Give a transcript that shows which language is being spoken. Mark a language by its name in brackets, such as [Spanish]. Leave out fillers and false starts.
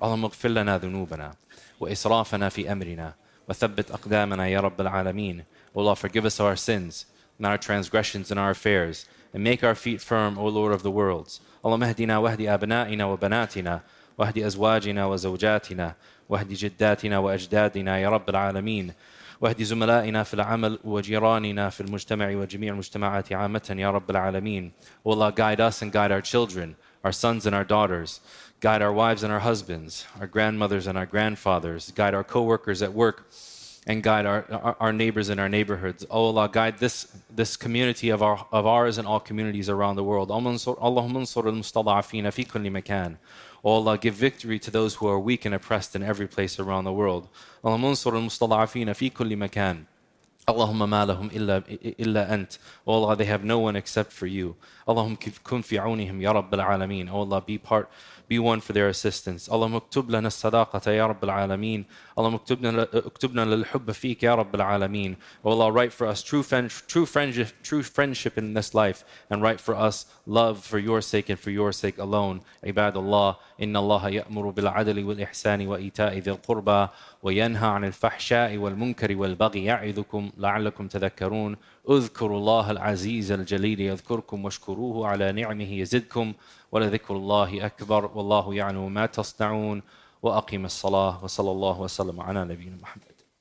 [Arabic] اللهم اغفر لنا ذنوبنا وإسرافنا في أمرنا وثبت أقدامنا يا رب العالمين. [English] O Allah, forgive us our sins and our transgressions and our affairs, and make our feet firm, O Lord of the worlds. [Arabic] اللهم اهدنا واهدي أبنائنا وبناتنا واهدي أزواجنا وزوجاتنا واهدي جداتنا وأجدادنا يا رب العالمين. واهدي زملائنا في العمل وجيراننا في المجتمع وجميع المجتمعات عامة يا رب العالمين. [English] O Allah, guide us and guide our children, our sons and our daughters. Guide our wives and our husbands, our grandmothers and our grandfathers. Guide our co-workers at work, and guide our neighbors in our neighborhoods. O Allah, guide this community of ours and all communities around the world. [Arabic] اللهم انصر المستضعفين في كل مكان. [English] O Allah, give victory to those who are weak and oppressed in every place around the world. [Arabic] اللهم انصر المستضعفين في كل مكان. اللهم ما لهم إلا أنت. [English] O Allah, they have no one except for you. [Arabic] اللهم كن في عونهم يا رب العالمين. [English] O Allah, be one for their assistance. [Arabic] اللهم اكتب لنا الصداقة يا رب العالمين. اللهم اكتب لنا للحب فيك يا رب العالمين. [English] O Allah, write for us true friendship in this life, and write for us love for your sake and for your sake alone. [Arabic] عباد الله, إن الله يأمر بالعدل والإحسان وإيتاء ذي القربى وينهى عن الفحشاء والمنكر والبغي يعظكم لعلكم تذكرون. اذكروا الله العزيز الجليل يذكركم واشكروه على نعمه يزدكم ولذكر الله أكبر والله يعلم ما تصنعون. وأقيم الصلاة وصلى الله وسلم على نبينا محمد.